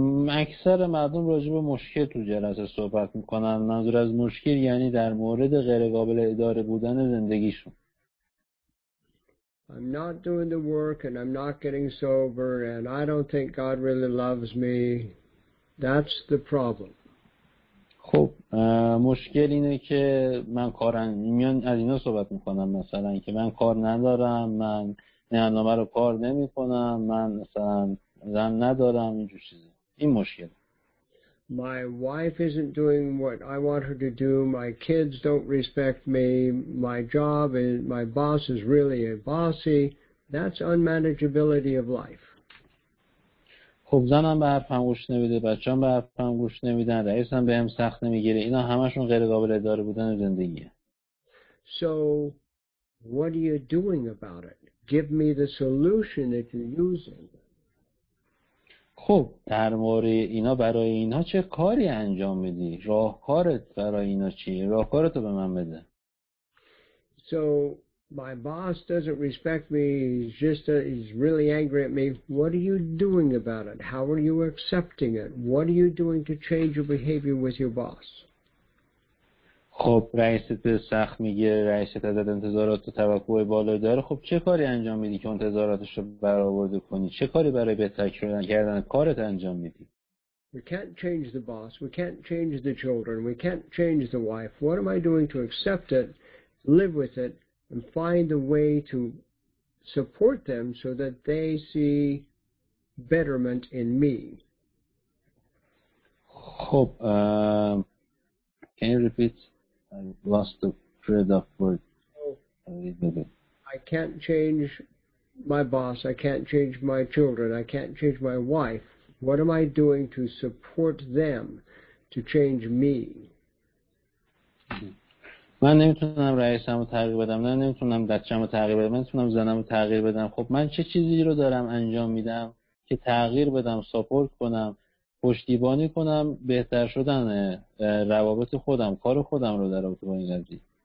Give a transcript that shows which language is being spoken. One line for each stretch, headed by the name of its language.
Persian: اکثر مردم راجع به مشکل تو جلسه صحبت میکنن. منظور از مشکل یعنی در مورد غیر قابل اداره بودن زندگیشون.
English: I'm not doing the work and I'm not getting sober and I don't think God really loves me. That's the problem.
Persian: خب مشکل اینه که من کارن میان از اینا صحبت میکنم، مثلا که من کار ندارم، من نهنامه رو کار نمی کنم، من مثلا زن ندارم، اینجور چیزا. این مشکل.
English: My wife isn't doing what I want her to do. My kids don't respect me. My job and my boss is really a bossy. That's unmanageability of life.
Persian: خب زنم به حرفم گوش نمیده، بچه‌ام به حرفم گوش نمیدن، رئیسم بهم سخت نمیگیره. اینا همشون غیر قابل اداره بودن زندگیه.
English: So what are you doing about it? Give me the solution that you're using.
Persian: خب در مورد اینا برای اینها چه کاری انجام میدی؟ راهکارت برای اینا چیه؟ راهکارتو به من بده.
English: So my boss doesn't respect me. He's really angry at me. What are you doing about it? How are you accepting it? What are you doing to change your behavior with your boss?
Persian: خب رئیست سخت میگه، رئیست ازت انتظارات و توقع بالا داره، خب چه کاری انجام میدی که انتظاراتش رو برآورده کنی؟ چه کاری برای بهتر کردن کارت انجام میدی؟
English: We can't change the boss, we can't change the children, we can't change the wife. What am I doing to accept it, live with it, and find a way to support them so that they see betterment in me? خب can you repeat? I lost the thread of word. I can't change my boss. I can't change my children. I can't change my wife. What am I doing to support them to change me?
Persian: من نمیتونم رئیسمو تغییر بدم. من نمیتونم بچه‌مو تغییر بدم. من نمیتونم زنمو تغییر بدم. خب من چه چیزی رو دارم انجام میدم که تغییر بدم، ساپورت کنم، پشتیبانی کنم بهتر شدن روابط خودم، کار خودم رو در رابطه با این قضیه.